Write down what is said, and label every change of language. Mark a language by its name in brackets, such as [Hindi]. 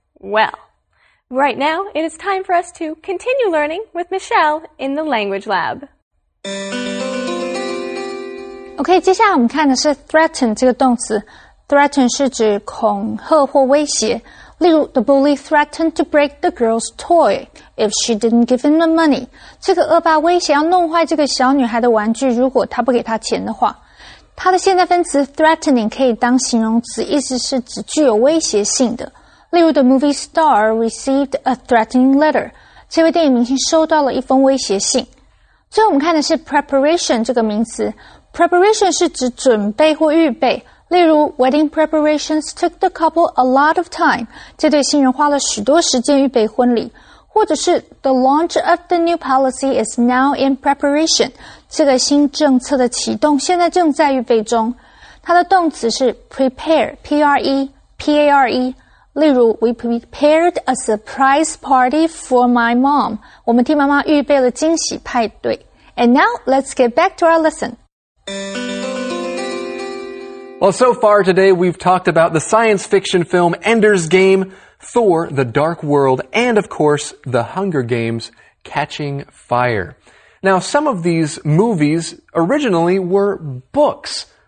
[English] Well, right now, it is time for us to continue learning with Michelle in the Language Lab. [Chinese] OK, 接下来我们看的是 threaten 这个动词。threaten 是指恐吓或威胁。例如 [English] the bully threatened to break the girl's toy if she didn't give him the money. [Chinese] 这个恶霸威胁要弄坏这个小女孩的玩具如果她不给她钱的话。它的现在分词 threatening 可以当形容词，意思是指具有威胁性的。例如 [English] the movie star received a threatening letter. [Chinese] 这位电影明星收到了一封威胁信。最后我们看的是 preparation 这个名词。Preparation 是指准备或预备。例如 [English] wedding preparations took the couple a lot of time. [Chinese] 这对新人花了许多时间预备婚礼。或者是 [English] the launch of the new policy is now in preparation. [Chinese] 这个新政策的启动现在正在预备中。它的动词是 prepare, P-R-E-P-A-R-E。例如 [English] we prepared a surprise party for my mom. [Chinese] 我们替妈妈预备了惊喜派对。 [English] And now, let's get back to our lesson. Well, so far today, we've talked about the science fiction film Ender's Game, Thor, The Dark World, and of course, The Hunger Games, Catching Fire. Now, some of these movies originally were books.